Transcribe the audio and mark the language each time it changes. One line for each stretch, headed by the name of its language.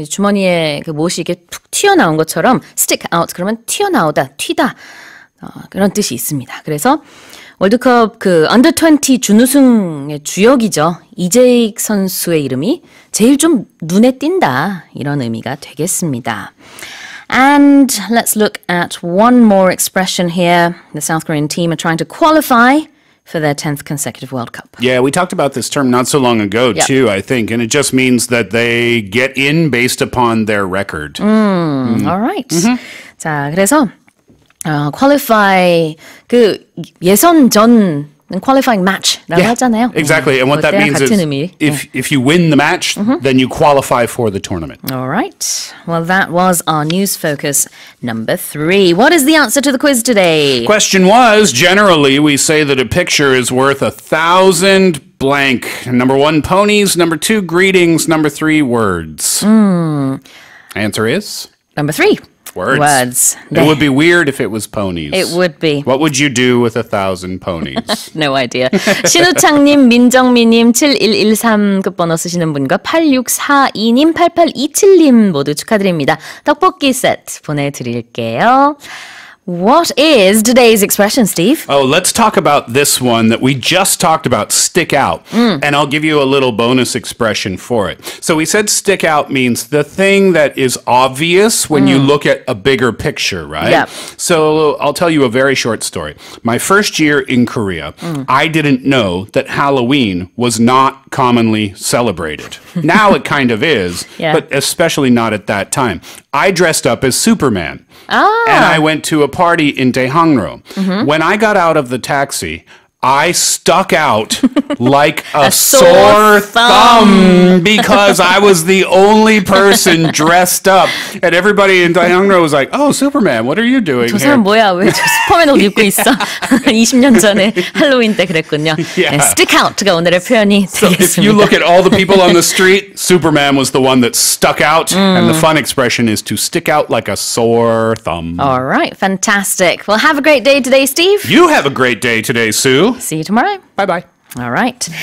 Korean: 주머니에 그 무엇이 이렇게 툭 튀어나온 것처럼
English: stick out
Korean: 그러면 튀어나오다, 튀다 그런 뜻이 있습니다. 그래서 월드컵 그 under 20 준우승의 주역이죠. 이재익 선수의 이름이 제일 좀 눈에 띈다 이런 의미가 되겠습니다.
English: And let's look at one more expression here. The South Korean team are trying to qualify for their 10th consecutive World Cup. Yeah, we talked about this term not so long ago, too, I think. And it just means that they get in based upon their record. All right. Mm-hmm.
Korean: 자, 그래서
English: qualify,
Korean: 그 예선전,
English: qualifying match. Exactly. And what that means is if you win the match, then you qualify for the tournament. All right. Well, that was our news focus number three. What is the answer to the quiz today? Question was, generally, we say that a picture is worth a thousand blank. Number one, ponies. Number two, greetings. Number three, words. Answer is? Number three. Words. It would be weird if it was ponies. It would be. What would you do with a thousand ponies? No idea.
Korean: 신우창님, 민정미님, 7113 급번호 쓰시는 분과 8642님, 8827님 모두 축하드립니다. 떡볶이 세트 보내드릴게요.
English: What is today's expression, Steve? Oh, let's talk about this one that we just talked about, stick out. And I'll give you a little bonus expression for it. So we said stick out means the thing that is obvious when you look at a bigger picture, right? Yep. So I'll tell you a very short story. My first year in Korea, I didn't know that Halloween was not commonly celebrated. Now it kind of is, but especially not at that time. I dressed up as Superman. And I went to a party in Daehangro. When I got out of the taxi, I stuck out like a sore thumb because I was the only person dressed up. And everybody in Daehangro was like, oh, Superman, what are you doing here?
Korean: 저 사람 뭐야? 왜 저 슈퍼맨 옷 입고 있어? 20년 전에 할로윈 때 그랬군요. Stick out가 오늘의 표현이 되겠습니다.
English: So if you look at all the people on the street, Superman was the one that stuck out. And the fun expression is to stick out like a sore thumb. All right, fantastic. Well, have a great day today, Steve. You have a great day today, Sue. See you tomorrow. Bye-bye. All right.